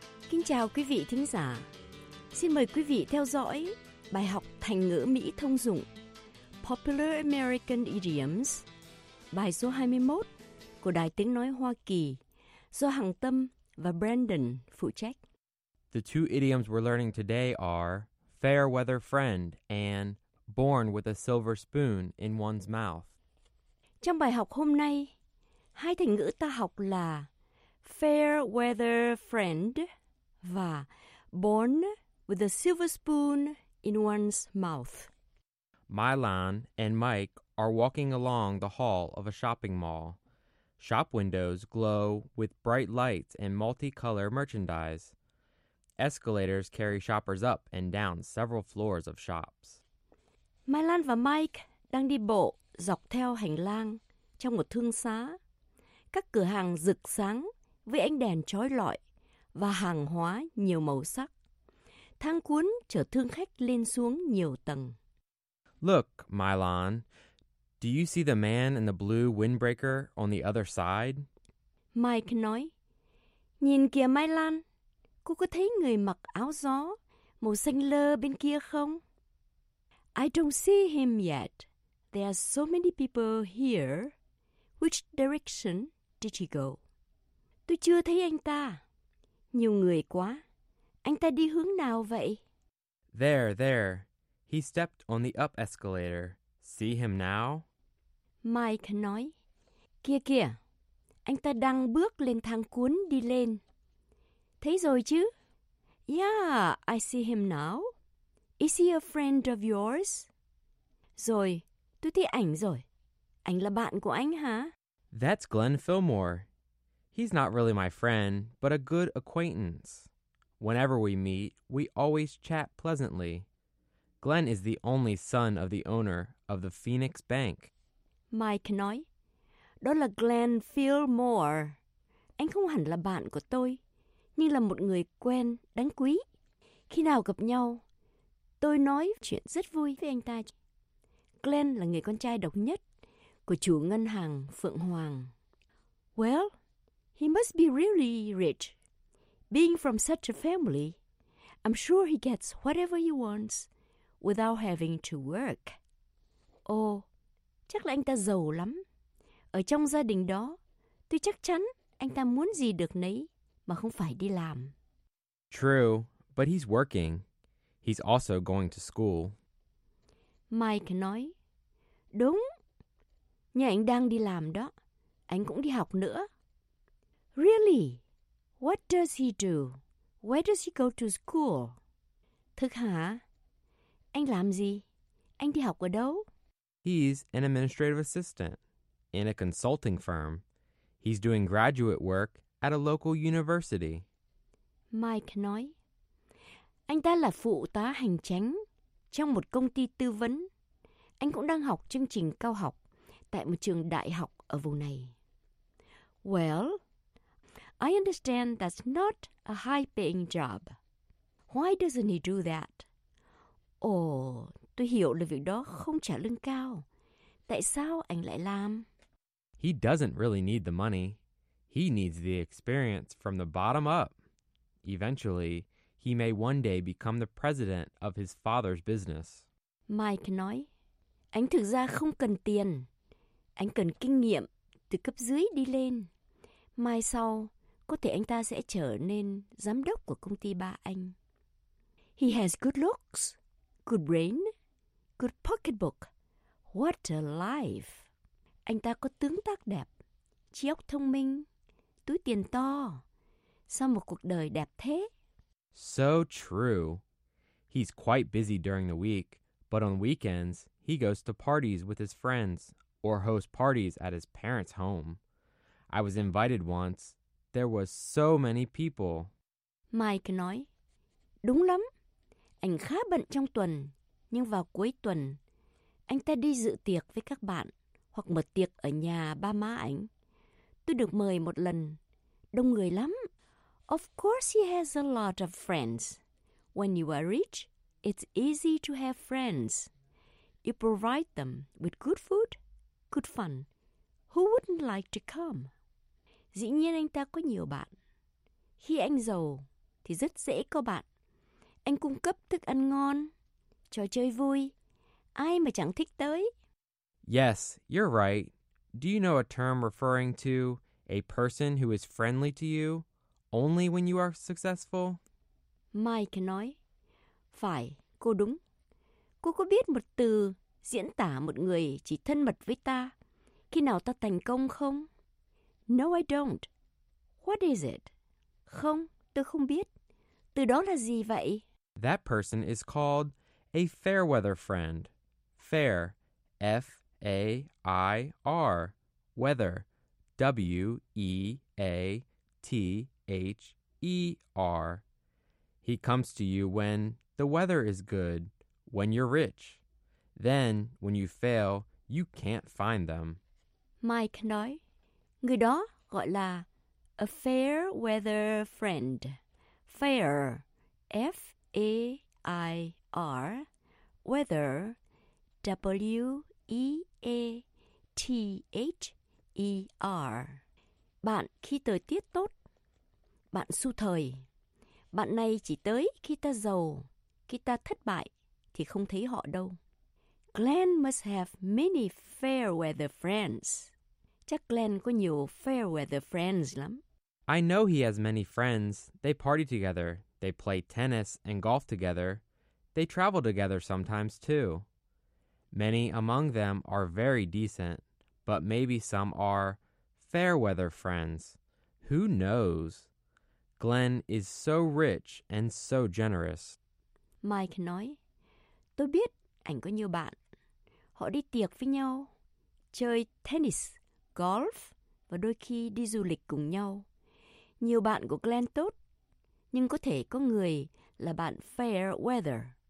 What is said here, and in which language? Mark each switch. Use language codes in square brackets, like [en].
[vi] Kính chào quý vị thính giả. Xin mời quý vị theo dõi bài học thành ngữ Mỹ thông dụng [en] Popular American Idioms, [vi] bài số 21 của Đài Tiếng Nói Hoa Kỳ do Hằng Tâm và Brandon phụ trách. [en] The two idioms we're learning today are fair weather friend and born with a silver spoon in one's mouth. [vi] Trong bài học hôm nay, hai thành ngữ ta học là [en] fair weather friend [vi] và [en] born with a silver spoon in one's mouth. Mylan and Mike are walking along the hall of a shopping mall. Shop windows glow with bright lights and multicolor merchandise. Escalators carry shoppers up and down several floors of shops. [vi] Mylan và Mike đang đi bộ dọc theo hành lang trong một thương xá. Các cửa hàng rực sáng với ánh đèn chói lọi và hàng hóa nhiều màu sắc. Thang cuốn chở thương khách lên xuống nhiều tầng. [en] Look, Mylan, do you see the man in the blue windbreaker on the other side? [vi] Mike nói, nhìn kìa Mylan, cô có thấy người mặc áo gió màu xanh lơ bên kia không? [en] I don't see him yet. There are so many people here. Which direction did he go? [vi] Tôi chưa thấy anh ta. Nhiều người quá. Anh ta đi hướng nào vậy? [en] There, there. He stepped on the up escalator. See him now? [vi] Mike nói. Kìa kìa, anh ta đang bước lên thang cuốn đi lên. Thấy rồi chứ? [en] Yeah, I see him now. Is he a friend of yours? [vi] Rồi, tôi thấy ảnh rồi. Anh là bạn của anh hả? [en] That's Glenn Fillmore. He's not really my friend, but a good acquaintance. Whenever we meet, we always chat pleasantly. Glenn is the only son of the owner of the Phoenix Bank. [vi] Mike nói, đó là Glenn Fillmore. Anh không hẳn là bạn của tôi, nhưng là một người quen, đáng quý. Khi nào gặp nhau, tôi nói chuyện rất vui với anh ta. Glenn là người con trai độc nhất của chủ ngân hàng Phượng Hoàng. [en] Well, he must be really rich. Being from such a family, I'm sure he gets whatever he wants without having to work. [vi] Oh, chắc là anh ta giàu lắm. Ở trong gia đình đó, tôi chắc chắn anh ta muốn gì được nấy mà không phải đi làm. [en] True, but he's working. He's also going to school. [vi] Mike nói, đúng. Nhà anh đang đi làm đó. Anh cũng đi học nữa. [en] Really? What does he do? Where does he go to school? [vi] Thực hả? Anh làm gì? Anh đi học ở đâu? [en] He's an administrative assistant in a consulting firm. He's doing graduate work at a local university. [vi] Mike nói, anh ta là phụ tá hành chính trong một công ty tư vấn. Anh cũng đang học chương trình cao học tại một trường đại học ở vùng này. [en] Well, I understand that's not a high-paying job. Why doesn't he do that? [vi] Oh, tôi hiểu là việc đó không trả lương cao. Tại sao anh lại làm? [en] He doesn't really need the money. He needs the experience from the bottom up. Eventually, he may one day become the president of his father's business. [vi] Mike nói, anh thực ra không cần tiền. Anh cần kinh nghiệm từ cấp dưới đi lên. Mai sau, có thể anh ta sẽ trở nên giám đốc của công ty ba anh. [en] He has good looks, good brain, good pocketbook. What a life! [vi] Anh ta có tướng tác đẹp, trí óc thông minh, túi tiền to. Sao một cuộc đời đẹp thế? [en] So true. He's quite busy during the week, but on weekends, he goes to parties with his friends or hosts parties at his parents' home. I was invited once. There was so many people. [vi] Mike nói, đúng lắm. Anh khá bận trong tuần, nhưng vào cuối tuần, anh ta đi dự tiệc với các bạn hoặc mở tiệc ở nhà ba má anh. Tôi được mời một lần. Đông người lắm. [en] Of course he has a lot of friends. When you are rich, it's easy to have friends. You provide them with good food, good fun. Who wouldn't like to come? [vi] Dĩ nhiên anh ta có nhiều bạn. Khi anh giàu, thì rất dễ có bạn. Anh cung cấp thức ăn ngon, trò chơi vui. Ai mà chẳng thích tới? [en] Yes, you're right. Do you know a term referring to a person who is friendly to you only when you are successful? [vi] Mike nói, phải, cô đúng. Cô có biết một từ diễn tả một người chỉ thân mật với ta khi nào ta thành công không? [en] No, I don't. What is it? [vi] Không, tôi không biết. Từ đó là gì vậy? [en] That person is called a fair weather friend. Fair, F-A-I-R, weather, W-E-A-T-H-E-R. He comes to you when the weather is good, when you're rich. Then, when you fail, you can't find them. [vi] Mike nói, người đó gọi là [en] a fair weather friend. Fair, F-A-I-R, weather, W-E-A-T-H-E-R. [vi] Bạn khi thời tiết tốt, bạn xu thời. Bạn này chỉ tới khi ta giàu, khi ta thất bại, thì không thấy họ đâu. [en] Glenn must have many fair weather friends. [vi] Chắc Glenn có nhiều [en] fair weather friends [vi] lắm. [en] I know he has many friends. They party together. They play tennis and golf together. They travel together sometimes too. Many among them are very decent, but maybe some are fair weather friends. Who knows? Glenn is so rich and so generous. [vi] Mike nói, tôi biết anh có nhiều bạn. Họ đi tiệc với nhau, chơi tennis, golf và đôi khi đi du lịch cùng nhau. Nhiều bạn của Glenn tốt, nhưng có thể có người là bạn [en] fair weather.